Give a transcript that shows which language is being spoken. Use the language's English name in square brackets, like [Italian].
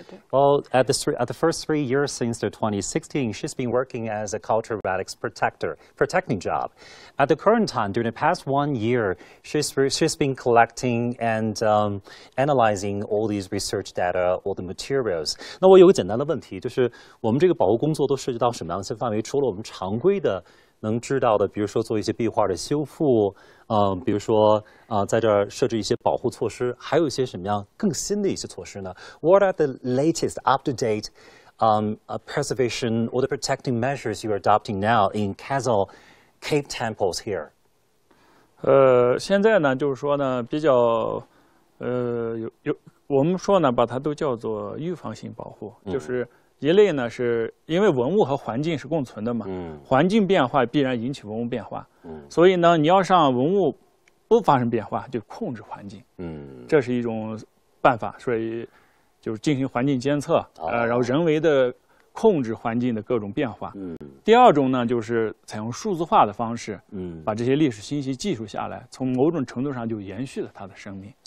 [English] Well, at the first three years since the 2016, she's been working as a cultural relics protecting job. At the current time, during the past 1 year, she's been collecting and analyzing all these research data, all the materials. [Chinese] 那我有个简单的问题，就是我们这个保护工作都涉及到什么样的范围？除了我们常规的能知道的，比如说做一些壁画的修复，比如说在这儿设置一些保护措施，还有一些什么样更新的一些措施呢 [English] ？What are the latest up-to-date, preservation or the protecting measures you are adopting now in Kizil Cave temples here? [Chinese] 现在呢，就是说呢，比较，我们说呢，把它都叫做预防性保护，就是。一类呢，是因为文物和环境是共存的嘛，环境变化必然引起文物变化，所以呢，你要让文物不发生变化，就控制环境，这是一种办法，所以就是进行环境监测，然后人为的控制环境的各种变化，第二种呢，就是采用数字化的方式，把这些历史信息记录下来，从某种程度上就延续了它的生命。